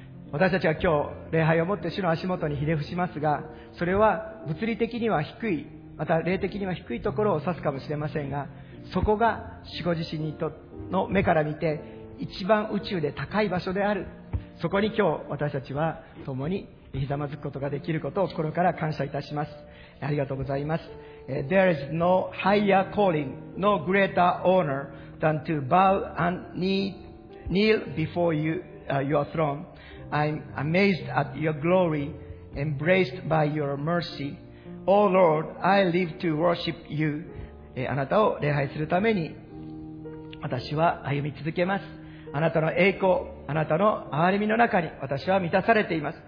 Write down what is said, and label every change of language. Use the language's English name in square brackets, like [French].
[Japanese] 私たちは今日礼拝をもって主の足元にひれ伏しますが、それは物理的には低い、また霊的には低いところを指すかもしれませんが、そこが主ご自身の目から見て一番宇宙で高い場所である、そこに今日私たちは共にひざまずくことができることを心から感謝いたします。ありがとうございます。 [English] There is no higher calling, no greater honor than to bow and kneel before you, your throne. I'm amazed at your glory, embraced by your mercy. Oh Lord, I live to worship you. [Japanese] あなたを礼拝するために私は歩み続けます。あなたの栄光、あなたの憐れみの中に私は満たされています。